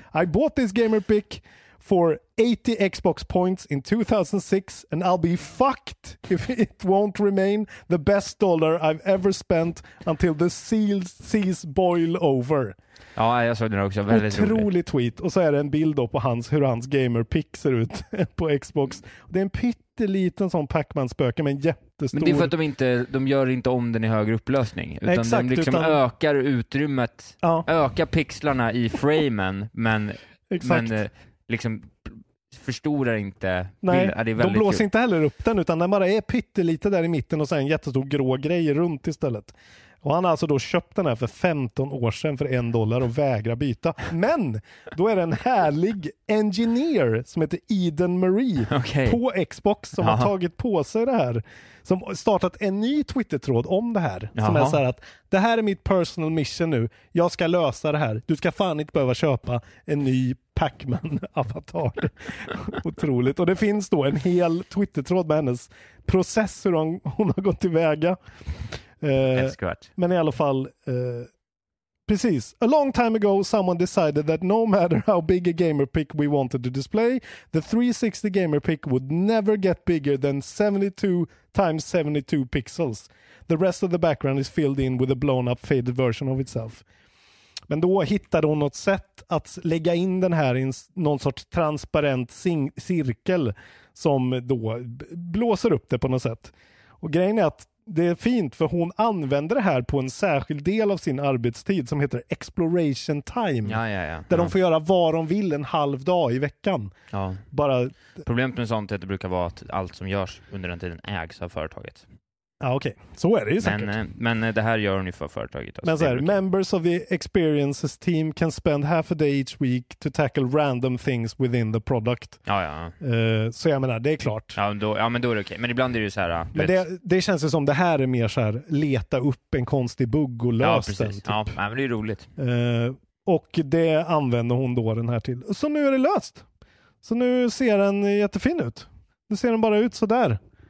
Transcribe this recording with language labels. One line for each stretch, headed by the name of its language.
English: I bought this gamer pick for 80 Xbox points in 2006 and I'll be fucked if it won't remain the best dollar I've ever spent until the seas boil over."
Swedish: Ja, jag såg den också. Väldigt otrolig tweet. Och så är det en bild då på hur hans gamer pick ser ut på Xbox. Det är en pytteliten sån Pac-Man-spöke med en jätte jättestor. Men det är för att de gör inte om den i högre upplösning. Utan exakt, de liksom utan... ökar utrymmet, ja. Ökar pixlarna i framen, men, men liksom förstorar inte. Nej, ja, det är väldigt de blåser kul. Inte heller upp den, utan den bara är pyttelite där i mitten och sen jättestor grå grej runt istället. Och han har alltså då köpt den här för 15 år sedan för $1 och vägrar byta. Men då är det en härlig engineer som heter Eden Marie okay. på Xbox som aha. har tagit på sig det här. Som startat en ny Twitter-tråd om det här. Aha. Som är så här att det här är mitt
English: personal mission
Swedish: nu. Jag ska lösa det här. Du ska fan inte behöva köpa en ny Pac-Man-avatar. Otroligt. Och det finns då en hel Twitter-tråd med hennes process hur hon har gått tillväga. Men i alla fall precis.
English: A long time ago someone decided that no matter how big a gamer pick we wanted to display, the 360 gamer pick would never get bigger than 72 times 72 pixels. The rest of the background is filled in with a blown up faded version of itself.
Swedish: Men då hittade hon något sätt att lägga in den här i någon sorts transparent cirkel som då blåser upp det på något sätt. Och grejen är att det är fint för hon använder det här på en särskild del av sin arbetstid som heter Exploration Time. Ja, ja, ja. Där ja. De får göra vad de vill en halv dag i veckan. Ja. Bara... Problemet med sånt är att det brukar vara att allt som görs under den tiden ägs av företaget. Ja, okej. Okay. Så är det ju säkert. Men det här gör hon ju för företaget. Men så här,
English: members of the experiences team can spend half a day each week to tackle random things within the product.
Swedish: Ja, ja. Så jag menar, det är klart. Ja, men då är det okej. Okay. Men ibland är det ju så här... Men det känns ju som det här är mer så här, leta upp en konstig bugg och lös ja, precis. Den. Typ. Ja, men det är roligt. Och det använder hon då den här till. Så nu är det löst. Så nu ser den jättefin ut. Nu ser den bara ut så där.